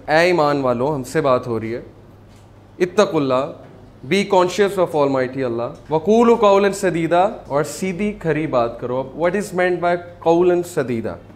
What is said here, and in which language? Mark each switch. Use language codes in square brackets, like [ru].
[ur] اے ایمان والوں, हमसे بات ہو رہی ہے. [ar] اتقوا الله, [en] be conscious of Almighty Allah. [ar] وَقُولُ قَوْلًا سَدِيدًا, [ur] اور سیدھی کھری بات کرو. [en] What is meant by [ar] قَوْلًا سَدِيدًا?